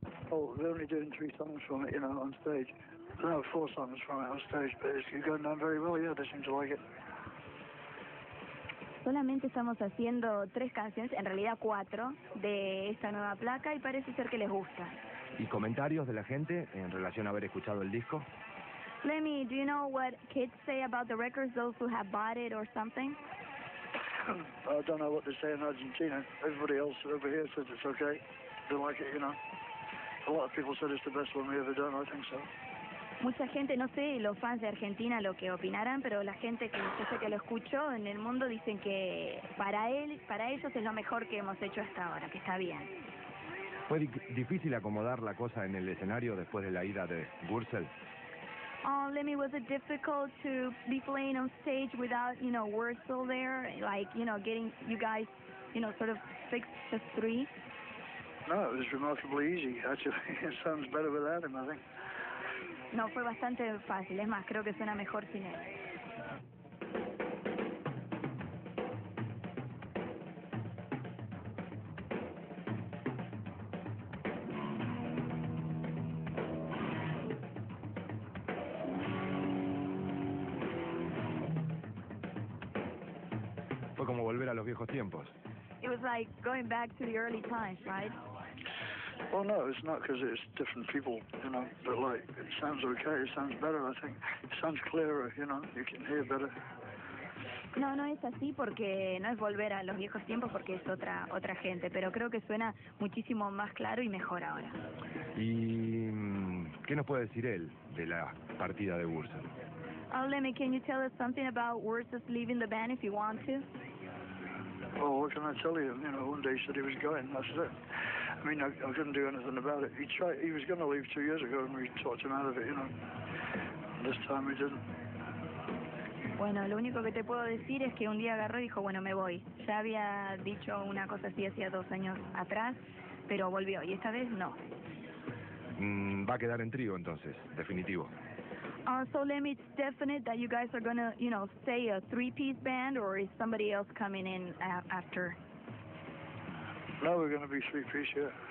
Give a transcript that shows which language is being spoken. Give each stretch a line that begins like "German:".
English: oh, we're only doing three songs from it, you know, on stage. No, four songs from it on stage, but it's going down very well, yeah, they seem to like it.
Spanish: Solamente estamos haciendo tres canciones, en realidad cuatro, de esta nueva placa y parece ser que les gusta. ¿Y comentarios de la gente en relación a haber escuchado el disco?
English: Lemmy, do you know what kids say about the records, those who have bought it or something? I don't know what they say in Argentina. Everybody else over here says it's okay. They like it, you know. A lot of people said it's the best one we ever done, I think so.
Spanish: Mucha gente, no sé, los fans de Argentina lo que opinarán, pero la gente que yo sé que lo escucho en el mundo dicen que para ellos es lo mejor que hemos hecho hasta ahora, que está bien. ¿Fue difícil acomodar la cosa en el escenario después de la ida de Wurzel?
English: Oh, Lemmy, was it difficult to be playing on stage without, you know, Wurzel there? Like, you know, getting you guys, you know, sort of fixed the three? No, it was remarkably easy, actually. It sounds better without him, I think.
Spanish: No, fue bastante fácil. Es más, creo que suena mejor sin él. Fue como volver a los viejos tiempos.
English: It was like going back to the early times, right? Well, no, it's not because it's different people, you know, but, like, it sounds okay, it sounds better, I think. It sounds clearer, you know, you can hear better.
Spanish: No, no es así porque no es volver a los viejos tiempos porque es otra gente, pero creo que suena muchísimo más claro y mejor ahora. ¿Y qué nos puede decir él de la partida de Wurzel?
English: Oh, Lemmy, can you tell us something about Wurzel leaving the band if you want to? Well, what can I tell you? You know, one day he said he was going, that's it. I mean, I couldn't do anything about it. He tried. He was going to leave 2 years ago, and we talked him out of it, you know. This time he didn't.
Spanish: Bueno, lo único que te puedo decir es que un día agarró y dijo, bueno, me voy. Ya había dicho una cosa así hacía 2 años atrás, pero volvió, y esta vez no. Va a quedar en trío, entonces, definitivo.
English: So, Lemmy, it's definite that you guys are going to, you know, stay a three-piece band, or is somebody else coming in after? No, we're going to be three-piece, yeah.